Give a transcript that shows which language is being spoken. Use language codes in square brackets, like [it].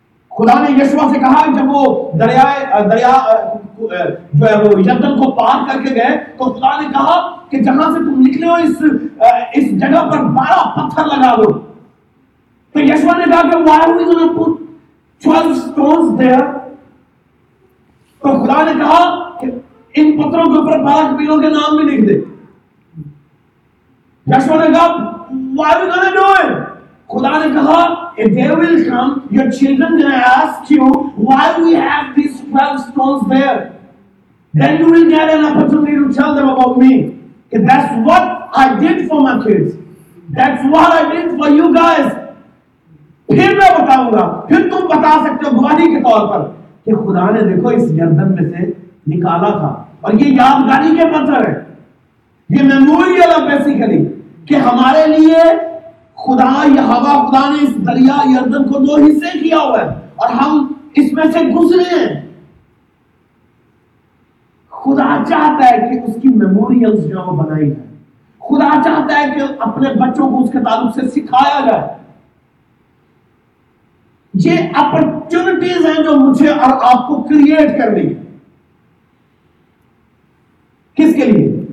[hi] खुदा ने यशुआ से कहा जब वो दरिया जो है वो यरदन को पार करके गए, तो खुदा ने कहा कि जहां से तुम निकले हो इस जगह पर 12 पत्थर लगा दो। तो यशुआ ने कहा कि [en] why are we gonna put 12 stones there, [hi] तो खुदा ने कहा कि इन पत्थरों के ऊपर 12 कबीलों के नाम भी लिख दे। यशुआ ने कहा [en] why are we gonna do it, [hi] खुदा ने कहा [en] if there will come your children gonna ask you why we have these 12 stones there, then you will get an opportunity to tell them about me, if that's what I did for my kids, that's what I did for you guys, [hi] phir main bataunga, phir tum bata sakte ho gawahi ke taur par ki khuda ne dekho is yardan mein se nikala tha, aur ye yaadgari ke patthar hai, ye memorial hai basically ki hamare liye खुदा यहोवा खुदा ने इस दरिया यरदन को दो हिस्से किया हुआ है और हम इसमें से गुजरे हैं। खुदा चाहता है कि उसकी मेमोरियल्स जो बनाई जाए, खुदा चाहता है कि अपने बच्चों को उसके तालुक से सिखाया जाए। ये अपॉर्चुनिटीज हैं जो मुझे और आपको क्रिएट करनी है, किसके लिए?